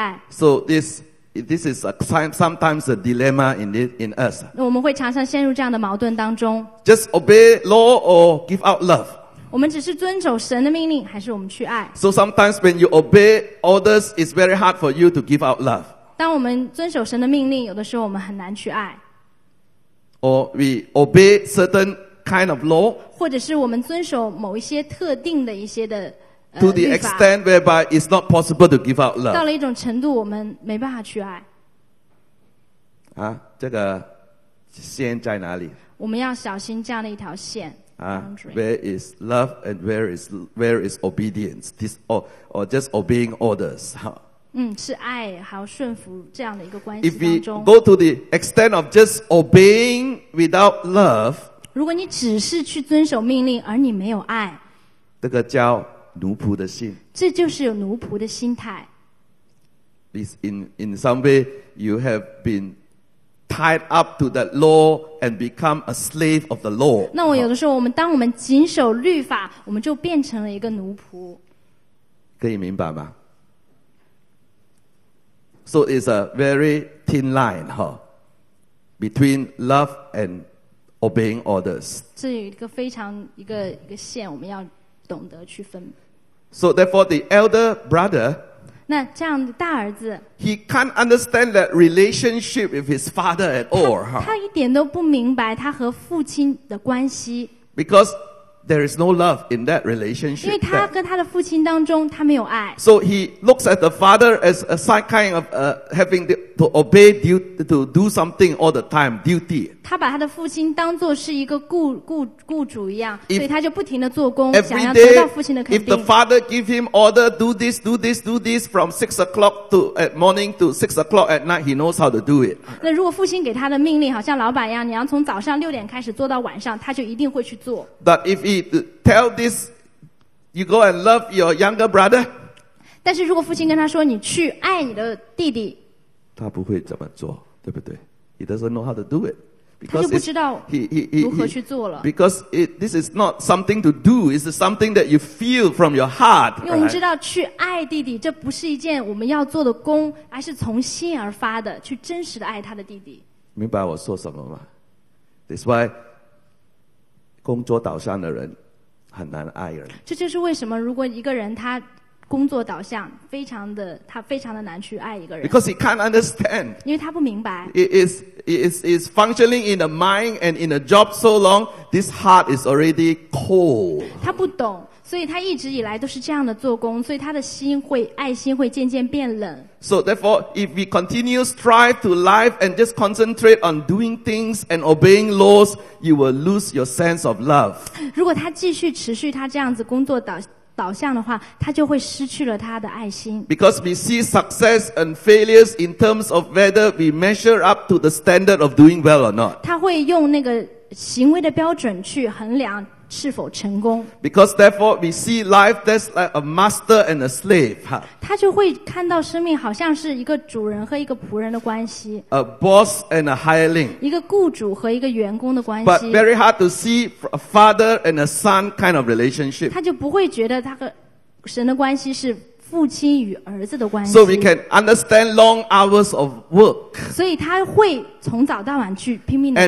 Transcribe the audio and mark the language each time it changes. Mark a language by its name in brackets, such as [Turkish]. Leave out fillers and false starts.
[English] So this is sometimes a dilemma in us. [Chinese] 我们会常常陷入这样的矛盾当中。 [English] Just obey law or give out love? [Chinese] 我们只是遵守神的命令，还是我们去爱 [English] ？So sometimes when you obey orders, it's very hard for you to give out love. [Chinese] 当我们遵守神的命令，有的时候我们很难去爱。 [English] Or we obey certain kind of law, [Chinese] 或者是我们遵守某一些特定的一些的 [English] to the extent whereby it's not possible to give out love. [Chinese] 到了一种程度，我们没办法去爱。啊，这个线在哪里？我们要小心这样的一条线。 [English] Where is love and where is obedience? This or just obeying orders? [Chinese] 是爱还有顺服这样的一个关系当中。 [English] If we go to the extent of just obeying without love, [Chinese] 如果你只是去遵守命令而你没有爱，这个叫奴仆的心。这就是有奴仆的心态。 [English] It's in some way you have been tied up to the law and become a slave of the law. [Chinese] 那我有的时候，当我们谨守律法，我们就变成了一个奴仆。可以明白吗？ [English] So it's a very thin line 哈 ，between love and obeying orders. [Chinese] 这有一个非常一个线，我们要懂得去分。 [English] So therefore, the elder brother. [Chinese] 那这样的大儿子。 [English] He can't understand that relationship with his father at all. [Chinese] 他一点都不明白他和父亲的关系。 [English] Because there is no love in that relationship. [Chinese] 因为他跟他的父亲当中，他没有爱。 [English] So he looks at the father as a kind of having to obey duty to do something all the time duty. [Chinese] 他把他的父亲当作是一个雇主一样，所以他就不停的做工，想要得到父亲的肯定。 [English] If the father give him order, do this, do this, do this from 6 o'clock to at morning to 6 o'clock at night, he knows how to do it. [Chinese] 那如果父亲给他的命令，好像老板一样，你要从早上6点开始做到晚上，他就一定会去做。 [English] But if he tell this, you go and love your younger brother. [Chinese] 但是如果父亲跟他说，你去爱你的弟弟，他不会怎么做，对不对 ？ [English] He doesn't know how to do it. Because、 [Chinese] 他就不知道如何去做了。 [English] Because this is not something to do, it's something that you feel from your heart. [Chinese] 因为我们知道去爱弟弟，这不是一件我们要做的功，而是从心而发的，去真实的爱他的弟弟。明白我说什么吗 ？ [English] That's why [Chinese] 工作导向的人很难爱人。这就是为什么如果一个人他工作导向，他非常的难去爱一个人。 [English] Because he can't understand. [Chinese] 因为他不明白。 [English] It is functioning in the mind and in a job so long, this heart is already cold. [Chinese] 他不懂，所以他一直以来都是这样的做工，所以他的爱心会渐渐变冷。 [English] So therefore, if we continue strive to life and just concentrate on doing things and obeying laws, you will lose your sense of love. [Chinese] 如果他继续持续他这样子工作导向的话，他就会失去了他的爱心。 [English] Because we see success and failures in terms of whether we measure up to the standard of doing well or not. [Chinese] 他会用那个行为的标准去衡量是否成功。 [English] Because therefore we see life as like a master and a slave. [Chinese] 他就会看到生命好像是一个主人和一个仆人的关系。 [English] A boss and a hireling. [Chinese] 一个雇主和一个员工的关系。 [English] But very hard to see a father and a son kind of relationship. [Chinese] 他就不会觉得他和神的关系是父亲与儿子的关系。 [English] So we can understand long hours of work. [Chinese] 所以他会从早到晚去拼命的